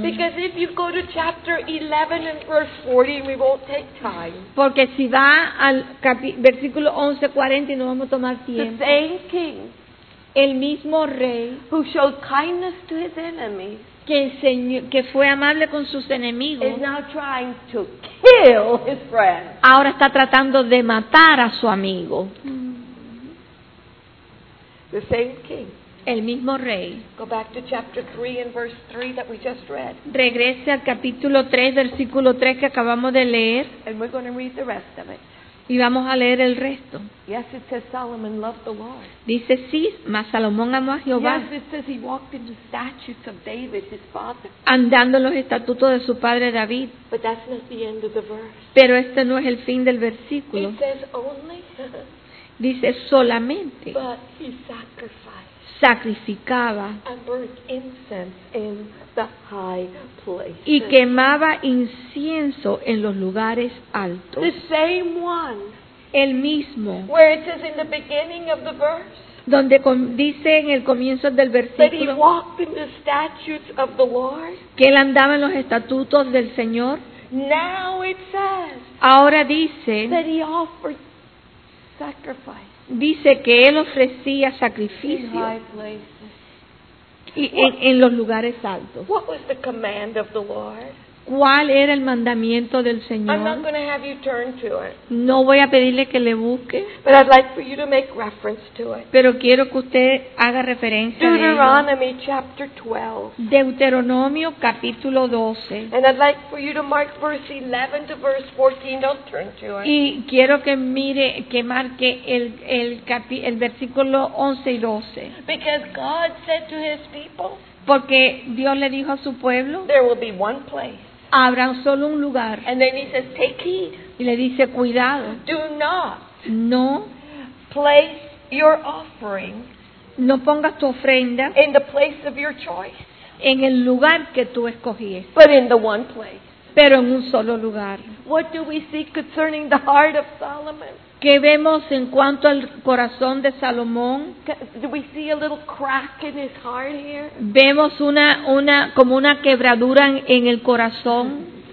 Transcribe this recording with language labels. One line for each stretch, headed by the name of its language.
English: Because if you go to chapter 11 and verse 40, we won't take time.
Spanish: Porque si va al versículo 11:40 no vamos a tomar tiempo.
English: The same king,
Spanish: el mismo rey,
English: who showed kindness to his enemies.
Spanish: Que fue amable con sus enemigos.
English: Is now trying to kill his friend.
Spanish: Ahora está tratando de matar a su amigo.
English: The same king.
Spanish: El mismo rey.
English: Go back to chapter 3 and verse 3 that we just read.
Spanish: Regrese al capítulo 3, versículo 3 que acabamos de leer.
English: And we're going to read the rest of it.
Spanish: Y vamos a leer el resto.
English: Yes, it says Solomon loved the Lord.
Spanish: Dice sí, mas Salomón amó a Jehová.
English: Yes, it says he walked in the statutes of David, his father.
Spanish: Andando en los estatutos de su padre David.
English: But that's not the end of the verse.
Spanish: Pero este no es el fin del versículo.
English: It says only.
Spanish: Dice solamente.
English: But he sacrificed.
Spanish: Sacrificaba.
English: And burnt incense in the high places.
Spanish: Y quemaba incienso en los lugares altos.
English: The same one.
Spanish: El mismo.
English: Where it says in the beginning of the verse.
Spanish: Donde dice en el comienzo del versículo.
English: That he walked in the statutes of the Lord.
Spanish: Que él andaba en los estatutos del Señor.
English: Now it says.
Spanish: Ahora dice.
English: That he offered sacrifice.
Spanish: Dice que él ofrecía sacrificio en los lugares altos.
English: What was the command of the Lord?
Spanish: ¿Cuál era el mandamiento del Señor?
English: I'm not going to have you turn to it.
Spanish: No voy a pedirle que le busque.
English: But I'd like for you to make reference to it.
Spanish: Pero quiero que usted haga referencia a él.
English: Deuteronomy chapter 12.
Spanish: Deuteronomio capítulo 12.
English: And I'd like for you to mark verse 11 to verse 14. Don't turn to it.
Spanish: Y quiero que mire, que marque el versículo 11 y 12.
English: Because God said to his people.
Spanish: Porque Dios le dijo a su pueblo,
English: there will be one place.
Spanish: Habrá solo un lugar.
English: And then he says, take heed.
Spanish: Y le dice, cuidado.
English: Do not.
Spanish: No.
English: Place your offering.
Spanish: No pongas tu ofrenda.
English: In the place of your choice.
Spanish: En el lugar que tú escogiste.
English: But in the one place.
Spanish: Pero en un solo lugar.
English: What do we see concerning the heart of Solomon?
Spanish: ¿Qué vemos en cuanto al corazón de Salomón?
English: Do we see a little crack in his heart here?
Spanish: Vemos una como una quebradura en el corazón.